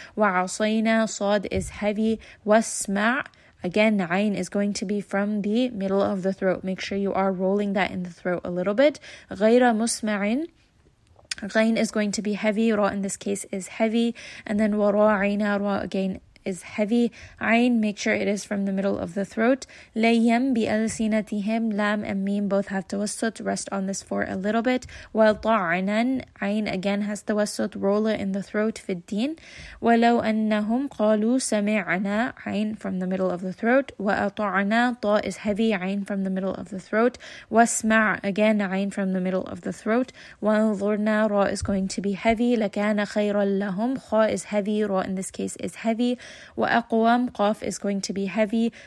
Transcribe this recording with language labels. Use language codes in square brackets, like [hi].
[en] وَعَصَيْنَا, sad is heavy. وَاسْمَعْ, again, ayn is going to be from the middle of the throat. Make sure you are rolling that in the throat a little bit. [ar] غَيْرَ مُسْمَعٍ, [en] غين is going to be heavy. Ra in this case is heavy. And then وراعينا, ra again is heavy. عين, make sure it is from the middle of the throat. [ar] ليم بألسنتهم. [en] Lam and ميم both have توسط. Rest on this for a little bit. [ar] وطعنا, عين [en] again has [ar] توسط. [en] Roll it in the throat. [ar] في الدين. ولو أنهم قالوا سمعنا. [en] عين from the middle of the throat. وأطعنا, طاء is heavy. عين from the middle of the throat. واسمع, again عين from the middle of the throat. وانظرنا, را is going to be heavy. [ar] لكان خيرا لهم. [en] خاء is heavy. را in this case is heavy. وأقوام, قاف is going to be heavy.